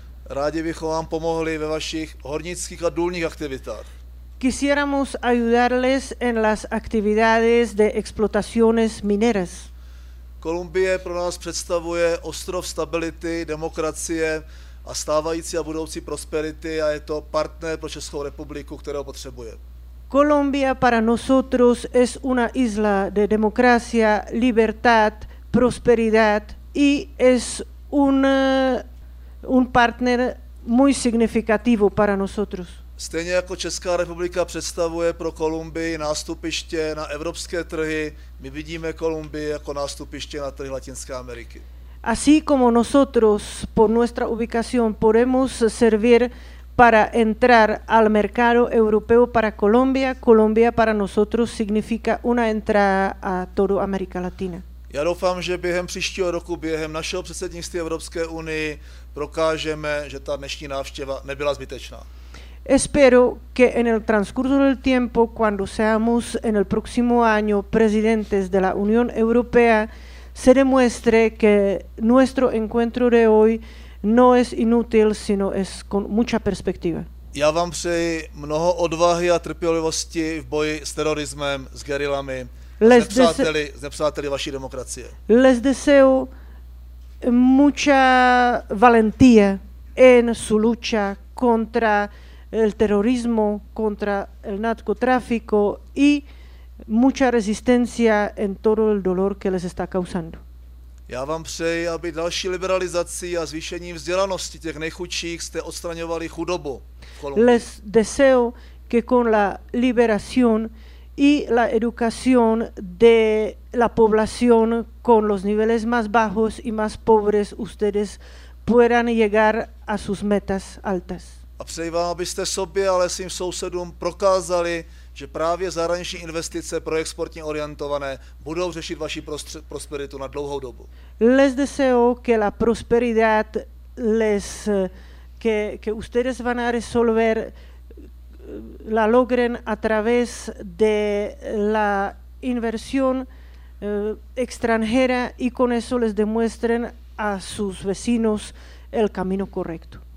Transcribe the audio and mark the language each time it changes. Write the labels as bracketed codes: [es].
[cs] Rádi bychom vám pomohli ve vašich hornických a důlních aktivitách. [es] Quisiéramos ayudarles en las actividades de explotaciones mineras. [cs] Kolumbie pro nás představuje ostrov stability, demokracie a stávající a budoucí prosperity a je to partner pro Českou republiku, kterého potřebuje. [es] Colombia para nosotros es una isla de democracia, libertad, prosperidad y es un partner muy significativo para nosotros. [cs] Stejně jako Česká republika představuje pro Kolumbii nástupiště na evropské trhy, my vidíme Kolumbii jako nástupiště na trhy Latinské Ameriky. [es] Así como nosotros por nuestra ubicación podemos servir para entrar al mercado europeo para Colombia, Colombia para nosotros significa una entrada a toda América Latina. [cs] Já doufám, že během příštího roku, během našeho předsednictví Evropské unii, prokážeme, že ta dnešní návštěva nebyla zbytečná. [es] Espero que en el transcurso del tiempo, cuando seamos en el próximo año presidentes de la Unión Europea, se demuestre que nuestro encuentro de hoy no es inútil, sino es con mucha perspectiva. [cs] Já vám přeji mnoho odvahy a trpělivosti v boji s terorismem, s gerilami, nepřáteli vaší demokracie. [es] Les deseo mucha valentía en su lucha contra el terrorismo, contra el narcotráfico y mucha resistencia en todo el dolor que les está causando. [cs] Já vám přeji, aby další liberalizací a zvýšením vzdělanosti těch nejchudších jste odstraňovali chudobu v Kolumbii. [es] Les deseo que con la liberación y la educación de la población con los niveles más bajos y más pobres ustedes puedan llegar a sus metas altas. [cs] A přeji vám, abyste sobě, ale svým sousedům prokázali, že právě zahraniční investice pro exportně orientované budou řešit vaši prosperitu na dlouhou dobu. [es] Les deseo que la prosperidad les que ustedes van a resolver la logren a través de la inversión extranjera y con eso les demuestren a sus vecinos el camino correcto.